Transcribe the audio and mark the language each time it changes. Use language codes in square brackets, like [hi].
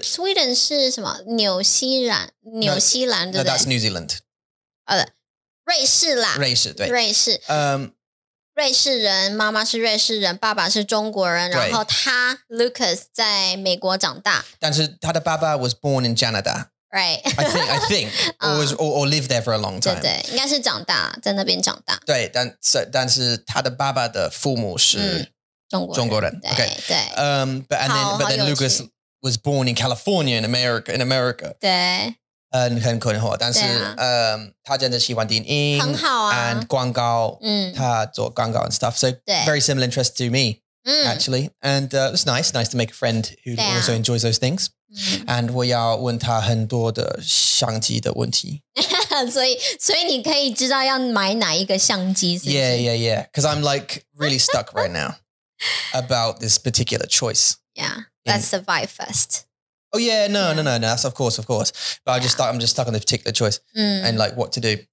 [zh] Sweden 是什么？纽西兰 [en] no, [zh] 对不对 [en] ？No， that's New Zealand。 [zh] 瑞士啦，瑞士对，瑞士，瑞士人，妈妈是瑞士人，爸爸是中国人，然后他 Lucas 在美国长大，但是他的爸爸 [en] was born in Canada。 Right, I think, or live there for a long time. [zh] 对对，应该是长大在那边长大。对，但是他的爸爸的父母是中国人。对 [en] okay. [zh] 对。 [en] But then Lucas was born in California in America. [zh] 对。很困惑，但是他真的喜欢电影，很好啊。 [en] And [zh] 广告，他做广告 [en] and stuff. So very similar interest to me, actually. And it's nice to make a friend who also enjoys those things. [zh] And 我要问他很多的相机的问题。所以你可以知道要买哪一个相机是不是。 [en] Yeah. Because I'm like really stuck right now about this particular choice. Yeah, let's survive first. Oh yeah, no. That's of course. But I'm just stuck on this particular choice and like what to do.